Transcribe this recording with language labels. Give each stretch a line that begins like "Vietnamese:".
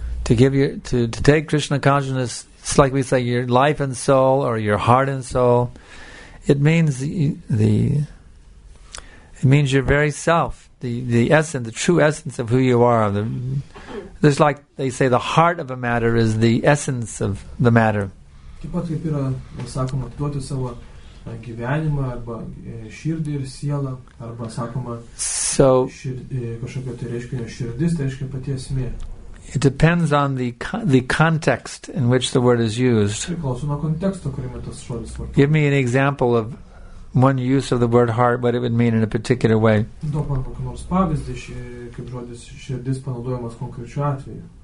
English: To take Krishna consciousness, it's like we say your life and soul or your heart and soul. It means your very self, the essence, the true essence of who you are. There's like they say the heart of a matter is the essence of the matter.
Lithuanian: Taip pat kaip yra sakoma atiduoti savo gyvenimą arba širdį ir sielą arba sakoma kažkokio tai reiškinio širdis, tai reiškia pati esmė.
English: It depends on the context in which the word is used.
Lithuanian: Priklauso nuo konteksto, kuriame tas žodis vartojamas.
English: Give me an example of one use of the word heart, what it would mean in a particular way.
Lithuanian: Duok man kokį nors pavyzdį, kaip žodis širdis panaudojamas konkrečiu atveju.